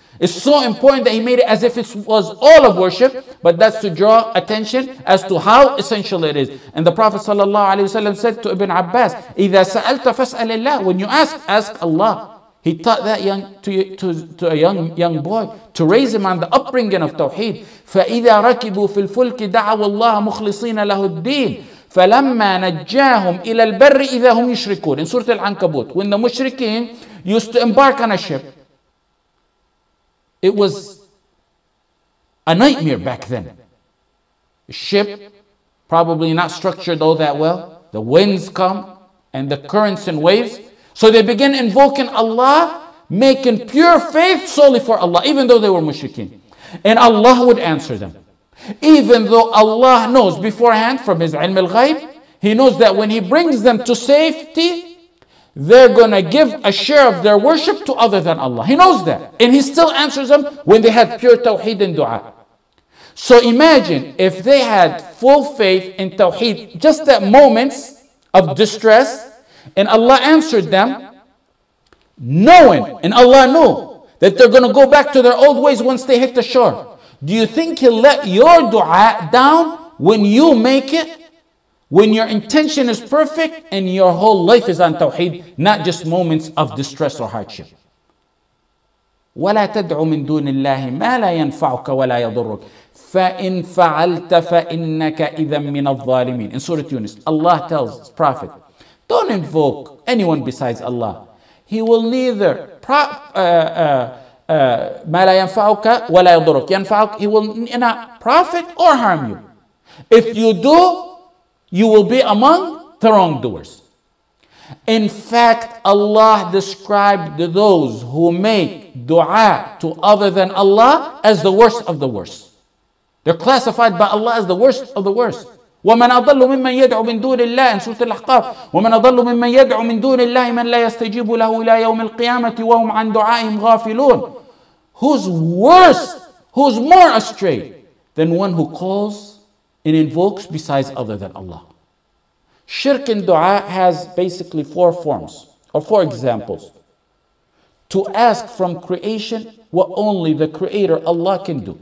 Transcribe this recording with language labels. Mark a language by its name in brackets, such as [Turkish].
[English] It's so important that he made it as if it was all of worship, but that's to draw attention as to how essential it is. And the Prophet ﷺ said to Ibn Abbas, [Arabic] إِذَا سَأَلْتَ فَاسْأَلِ اللَّهِ. [English] When you ask, ask Allah. He taught that young to a young boy to raise him on the upbringing of Tawheed. [Arabic] فَإِذَا رَكِبُوا فِي الْفُلْكِ دَعَوَ اللَّهَ مُخْلِصِينَ لَهُ الدِّينَ فَلَمَّا نَجَّاهُمْ إِلَى الْبَرِّ إِذَا هُمْ يُشْرِكُونَ. [English] In Surah Al-Ankabut, when the mushrikeen used to embark on a ship, It was a nightmare back then. The ship, probably not structured all that well. The winds come and the currents and waves. So they begin invoking Allah, making pure faith solely for Allah, even though they were mushrikeen. And Allah would answer them. Even though Allah knows beforehand from his ilm al-ghayb, he knows that when he brings them to safety, they're going to give a share of their worship to other than Allah. He knows that. And he still answers them when they had pure tawheed and dua. So imagine if they had full faith in tawheed just at moments of distress, and Allah answered them, knowing, and Allah knew, that they're going to go back to their old ways once they hit the shore. Do you think he'll let your dua down when you make it? When your intention is perfect and your whole life is on tawheed, not just moments of distress or hardship. [Arabic] وَلَا تَدْعُ مِن دُونِ اللَّهِ مَا لَا يَنْفَعُكَ وَلَا يَضُرُّكَ فَإِنْ فَعَلْتَ فَإِنَّكَ إِذًا مِّنَ الظَّالِمِينَ [English] In Surah Yunus, Allah tells his prophet, don't invoke anyone besides Allah. He will neither [Arabic] مَا لَا يَنْفَعُكَ وَلَا يَضُرُّكَ يَنْفَعُكَ [English] He will not profit or harm you. If you do, you will be among the wrongdoers. In fact, Allah described those who make dua to other than Allah as the worst of the worst. They're classified by Allah as the worst of the worst. [Arabic] وَمَنْ أَضَلُّ مِمَّنْ يَدْعُ مِنْ دُونِ اللَّهِ In Surah Al-Ahqaf وَمَنْ أَضَلُّ مِمَّنْ يَدْعُ مِنْ دُونِ اللَّهِ مَنْ لَا يَسْتَجِيبُ لَهُ إِلَى يَوْمِ الْقِيَامَةِ وَهُمْ عَنْ دُعَائِهِمْ غَافِلُونَ [English] Who's worse? Who's more astray than one who calls and invokes besides other than Allah? Shirk in dua has basically four forms, or four examples. To ask from creation what only the Creator Allah can do.